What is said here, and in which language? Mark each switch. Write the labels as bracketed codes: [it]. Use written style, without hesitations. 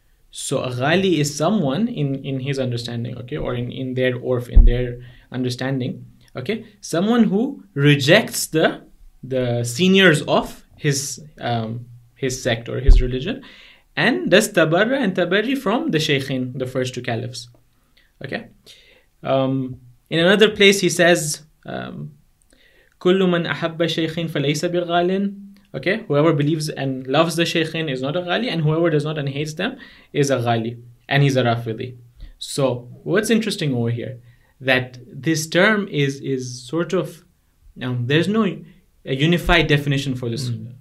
[en] So, Ghali is someone in his understanding, okay, or in their urf, in their understanding, okay, someone who rejects the seniors of his sect or his religion, and does tabarra and tabarri from the shaykhain, the first two caliphs. Okay. [ar] In another place, he says, "كل من أحب شيخين فليس بغالٍ." [en] Okay, whoever believes and loves the Shaykhin is not a Ghali, and whoever does not and hates them is a Ghali, and he's a Rafidi. So what's interesting over here, that this term is sort of, there's no a unified definition for this. Mm.